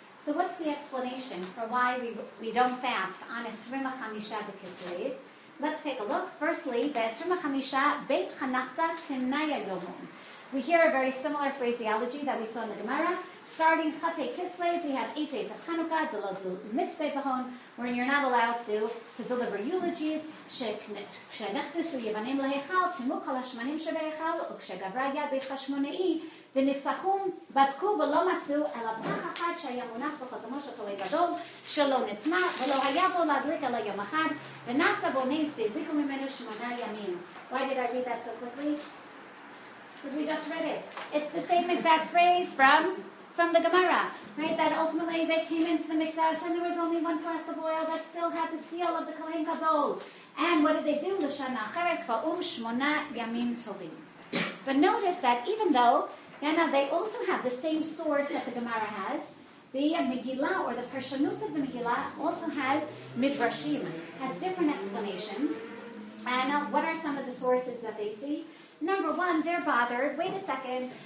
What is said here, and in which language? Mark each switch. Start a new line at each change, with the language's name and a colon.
English: So what's the explanation for why we don't fast on Esrim HaChamisha B'Kislev? Let's take a look.
Aramaic: Firstly, Esrim HaChamisha Beit Chanachta Tinaya Yomum.
English: We hear a very similar phraseology that we saw in the Gemara. Starting Chafei Kislev, we have 8 days of Hanukkah,
Aramaic: Delodul Misbe Bahon,
English: where you're not allowed to deliver eulogies.
Hebrew: Shenechtusu Yevanim Lehechal, Timu Kol HaShmanim Shebeichal, Ukshagavraya Beit HaShmonei, ונצחום בדקו ולא מצאו אלא פח אחד שהיה מונח בחתומו של כלי גדול שלא נצמא ולא היה בו להדליק אלא יום אחד ונעשה בו נס והדליקו ממנו 8 ימים.
English: Why did I read that so quickly? Because we just read it. It's the same exact phrase from the Gemara, right? That ultimately they came into the Mikdash and there was only one flask of oil that still had the seal of the Kohen Gadol. And what did they do?
Hebrew: L'shana אחרת כבאום 8 ימים טובים.
English: But notice that even though now they also have the same source that the Gemara has. The Megillah, or the Parshanut of the Megillah, also has Midrashim, has different explanations. And what are some of the sources that they see? Number one, they're bothered. Wait a second.